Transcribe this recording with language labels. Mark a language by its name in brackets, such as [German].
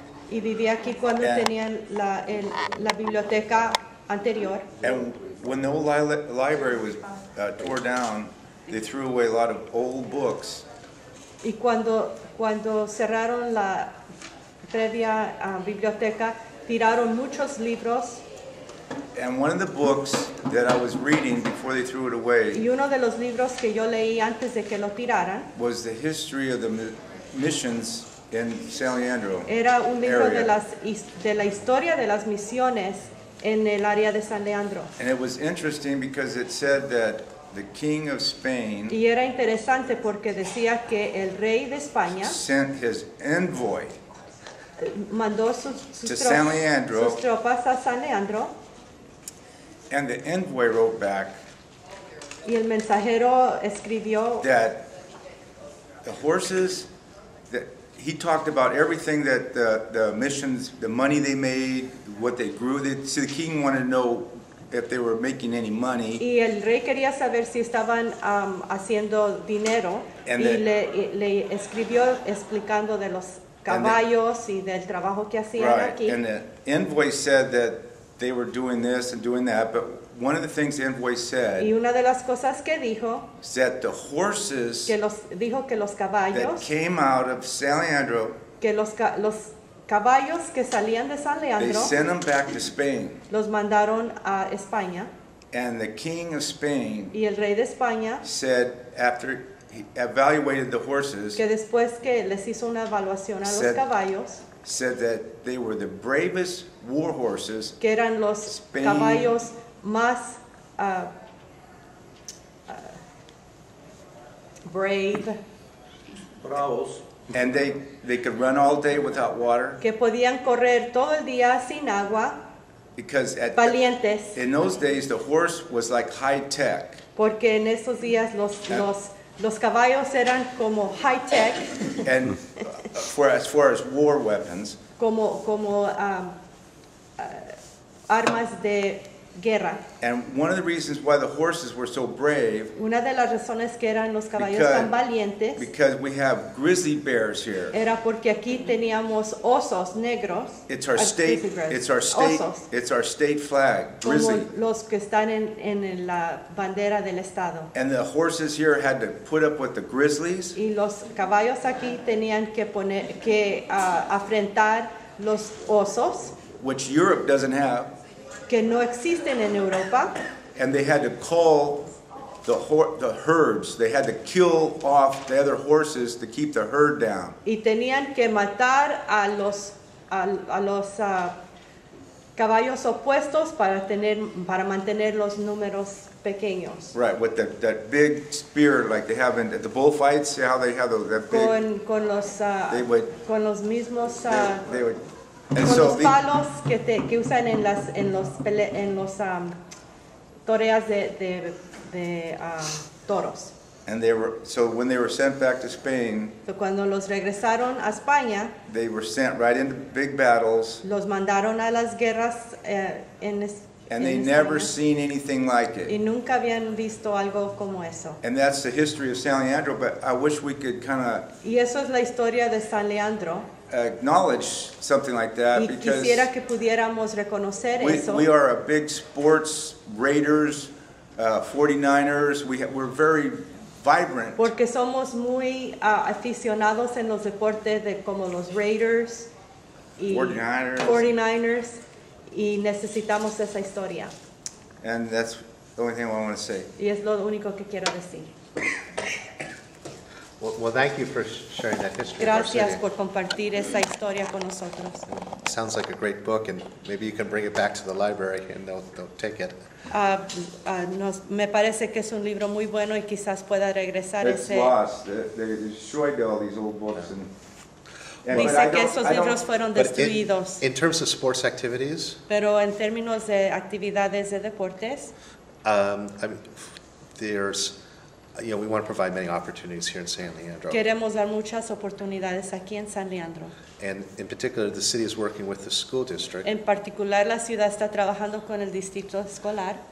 [Spanish] Y viví aquí cuando tenían la biblioteca anterior. [English] And when the old library was tore down, they threw away a lot of old books. [Spanish] Y cuando cerraron la previa biblioteca, tiraron muchos libros. [English] And one of the books that I was reading before they threw it away, [Spanish] y uno de los libros que yo leí antes de que lo tiraran, [English] was the history of the missions in San Leandro. [Spanish] Era un libro [English] area. [Spanish] De la historia de las misiones en el área de San Leandro. [English] And it was interesting because it said that the King of Spain. [Spanish] Y era interesante porque decía que el rey de España [English] sent his envoy. [Spanish] Mandó sus tropas a San Leandro. [English] And the envoy wrote back. [Spanish] Y el mensajero escribió [English] that the horses. He talked about everything that the missions, the money they made, what they grew. So the king wanted to know if they were making any money. [Spanish] Y el rey quería saber si estaban haciendo dinero. And le escribió explicando de los caballos y del trabajo que hacían [English] right, [Spanish] aquí. [English] And the envoy said that they were doing this and doing that. But one of the things the envoy said. [Spanish] Y una de las cosas que dijo. [English] Said the horses. [Spanish] Dijo que los caballos. [English] That came out of San Leandro. [Spanish] Que los caballos que salían de San Leandro. [English] They sent them back to Spain. [Spanish] Los mandaron a España. [English] And the king of Spain. [Spanish] Y el rey de España. [English] Said after he evaluated the horses. [Spanish] Que después que les hizo una evaluación a los caballos. [English] Said that they were the bravest war horses. [Spanish] Que eran los [English] Spain, [Spanish] caballos más brave. Bravos. [English] And they could run all day without water. [Spanish] Que podían correr todo el día sin agua. [English] Because at [Spanish] valientes. [English] In those days the horse was like high tech. [Spanish] Porque en esos días los caballos eran como high tech. [English] And as far as war weapons. [Spanish] Como armas de guerra. [English] And one of the reasons why the horses were so brave. [Spanish] Una de las razones que eran los caballos tan valientes. [English] Because we have grizzly bears here. [Spanish] Era porque aquí teníamos osos negros. [English] It's our state. It's our state. [Spanish] Osos. [English] It's our state flag. Grizzly. [Spanish] Como los que están en la bandera del estado. [English] And the horses here had to put up with the grizzlies. [Spanish] Y los caballos aquí tenían que poner que afrontar los osos. [English] Which Europe doesn't have. [Spanish] Que no existen en Europa. [English] And they had to call the herds. They had to kill off the other horses to keep the herd down. [Spanish] Y tenían que matar a los caballos opuestos para mantener los números pequeños. [English] Right, with that big spear like they have in the bullfights. See how they have that big. [Spanish] Con los mismos. And con so los palos que usan en los toreas de toros. [English] And they were, so when they were sent back to Spain. [Spanish] So cuando los regresaron a España. [English] They were sent right into big battles. [Spanish] Los mandaron a las guerras [English] And they never seen anything like it. [Spanish] Y nunca habían visto algo como eso. [English] And that's the history of San Leandro, but I wish we could kind of. [Spanish] Y eso es la historia de San Leandro. [English] Acknowledge something like that because [Spanish] quisiera que pudiéramos reconocer eso. [English] We are a big sports Raiders, 49ers. We're very vibrant. [Spanish] Porque somos muy aficionados en los deportes de como los Raiders y 49ers y necesitamos esa historia. [English] And that's the only thing I want to say. [Spanish] Y es lo único que quiero decir. [English] Well, thank you for sharing that history. [Spanish] Gracias por compartir esa historia con nosotros. [English] It sounds like a great book, and maybe you can bring it back to the library, and they'll take it. [Spanish] Me parece que es un libro muy bueno, y quizás pueda regresar [English] it's [Spanish] ese. [English] It's lost. They destroyed all these old books, and [Spanish] dice que esos libros fueron destruidos. [English] In terms of sports activities. [Spanish] Pero en términos de actividades de deportes. [English] You know, we want to provide many opportunities here in San Leandro. [Spanish] Queremos dar muchas oportunidades aquí en San Leandro. [English] And in particular, the city is working with the school district. [Spanish] En particular, la ciudad está trabajando con el distrito escolar.